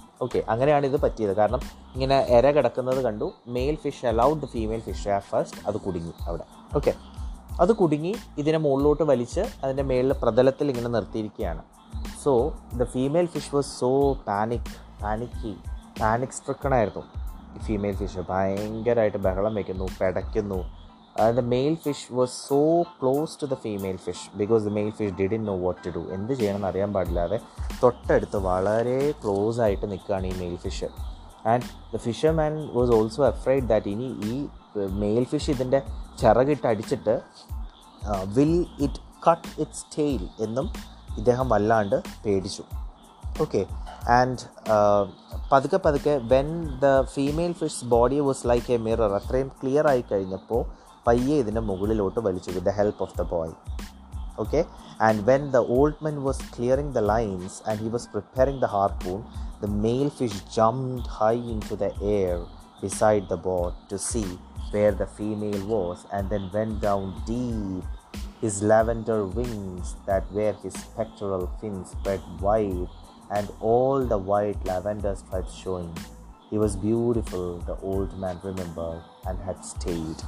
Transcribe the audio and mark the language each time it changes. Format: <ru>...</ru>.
<ml>Okay, അങ്ങനെയാണ് ഇത് പറ്റിയത്. കാരണം ഇങ്ങനെ എര കിടക്കുന്നത് കണ്ടു,</ml> <en>male fish allowed the female fish ആ first,</en> <ml>അത് കുടുങ്ങി അവിടെ. ഓക്കെ, അത് കുടുങ്ങി ഇതിനെ മുകളിലോട്ട് വലിച്ച് അതിൻ്റെ മേളിലെ പ്രതലത്തിൽ ഇങ്ങനെ നിർത്തിയിരിക്കുകയാണ്.</ml> <en>So the female fish was so panic സ്ട്രിക്കണായിരുന്നു.</en> <ml>ഈ ഫീമെയിൽ ഫിഷ് ഭയങ്കരമായിട്ട് ബഹളം വയ്ക്കുന്നു, പെടയ്ക്കുന്നു.</ml> <en>And the male fish was so close to the female fish because the male fish didn't know what to do.</en> <ml>എന്ത് ചെയ്യണമെന്ന് അറിയാൻ പാടില്ലാതെ തൊട്ടടുത്ത് വളരെ ക്ലോസ് ആയിട്ട് നിൽക്കുകയാണ് ഈ male fish.</ml> <en>and the fisherman was also afraid that</en> <ml>ഇനി ഈ മെയിൽ ഫിഷ് ഇതിൻ്റെ ചിറകിട്ട് അടിച്ചിട്ട്</ml> <en>will it cut its tail</en> <ml>എന്നും ഇദ്ദേഹം വല്ലാണ്ട് പേടിച്ചു.</ml> <en>okay, and പതുക്കെ പതുക്കെ when the female fish body was like a mirror,</en> <ml>അത്രയും ക്ലിയർ ആയി കഴിഞ്ഞപ്പോൾ പയ്യെ ഇതിൻ്റെ മുകളിലോട്ട് വലിച്ചു</ml> <en>With the help of the boy. Okay, and when the old men was clearing the lines and he was preparing the harpoon, the male fish jumped high into the air beside the boat to see where the female was and then went down deep his lavender wings that were his spectral fins spread wide and all the white lavender stripes showing. He was beautiful, the old man remembered and had stayed.</en>